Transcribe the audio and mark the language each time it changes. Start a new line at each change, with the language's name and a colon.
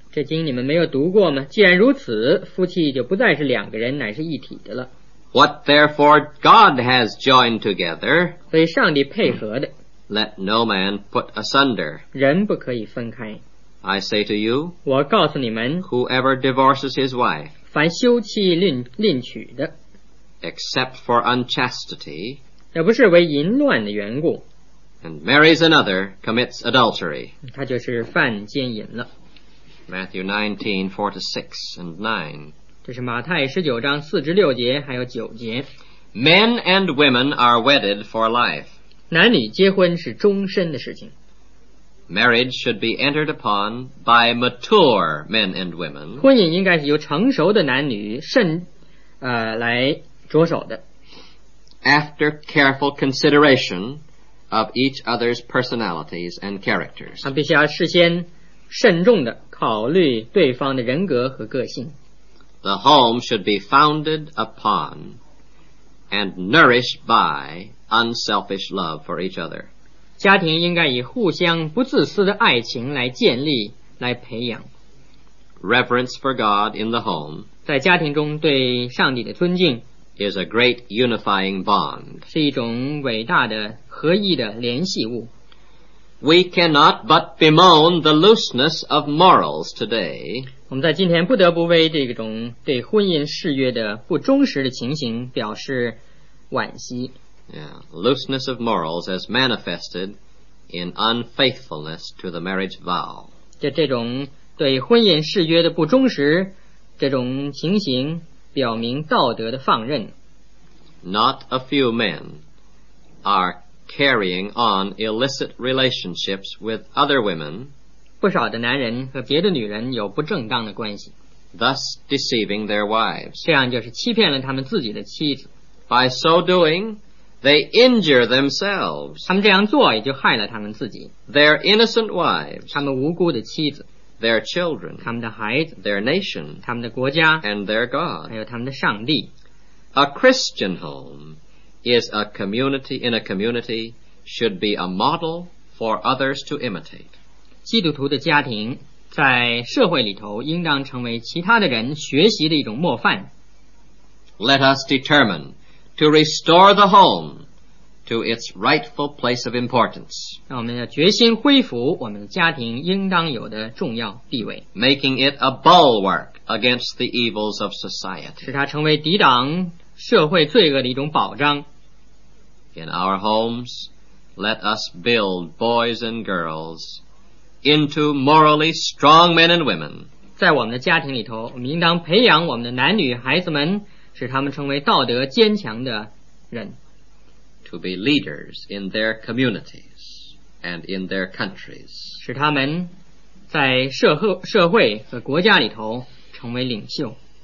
Chinese: 这经你们没有读过吗？既然如此，夫妻就不再是两个人，乃是一体的了。
English: What therefore God has joined together,
Chinese: 所以上帝配合的
English: let no man put asunder.
Chinese: 人不可以分开。
English: I say to you,
Chinese: 我告诉你们
English: whoever divorces his wife,
Chinese: 凡休妻另娶的
English: except for unchastity,
Chinese: 也不是为淫乱的缘故
English: and marries another, commits adultery.
Chinese: 他就是犯奸淫了。
English: Matthew 19:4-6 and 9
Chinese: 这是马太十九章四至六节还有九节
English: Men and women are wedded for life.
Chinese: 男女结婚是终身的事情。
English: Marriage should be entered upon by mature men and women.
Chinese: 婚姻应该是由成熟的男女慎来着手的。
English: After careful consideration of each other's personalities and characters.
Chinese: 他必须要事先慎重地考虑对方的人格和个性。
English: The home should be founded upon and nourished by unselfish love for each other.
Chinese: 家庭应该以互相不自私的爱情来建立，来培养。
English: Reverence for God in the home
Chinese: 在家庭中对上帝的尊敬
English: is a great unifying bond.
Chinese: 是一种伟大的合一的联系物。
English: We cannot but bemoan the looseness of morals today.
Chinese: 我们在今天不得不为这种对婚姻誓约的不忠实的情形表示惋惜。
English: Yeah, looseness of morals as manifested in unfaithfulness to the marriage vow.
Chinese: 这种对婚姻誓约的不忠实，这种情形表明道德的放任。
English: Not a few men are carrying on illicit relationships with other women,
Chinese: 不少的男人和别的女人有不正当的关系,
English: thus deceiving their wives.
Chinese: 这样就是欺骗了他们自己的妻子。
English: By so doing, they injure themselves.
Chinese: 他们这样做也就害了他们自己。
English: Their innocent wives,
Chinese: 他们无辜的妻子。
English: Their children,
Chinese: 他们的孩子。
English: Their nation,
Chinese: 他们的国家。
English: And their God,
Chinese: 还有他们的上帝。
English: A Christian home,is a community in a community should be a model for others to imitate.
Chinese: 基督徒的家庭在社会里头应当成为其他的人学习的一种模范。
English: Let us determine to restore the home to its rightful place of importance.
Chinese: 让我们要决心恢复我们的家庭应当有的重要地位。
English: Making it a bulwark against the evils of society.
Chinese: 使它成为抵挡社会罪恶的一种保障。
English: In our homes, let us build boys and girls into morally strong men and women.
Chinese: 在我们的家庭里头，我们应当培养我们的男女孩子们，使他们成为道德坚强的人。
English: To be leaders in their communities and in their countries.
Chinese: 使他们在社会和国家里头成为领袖。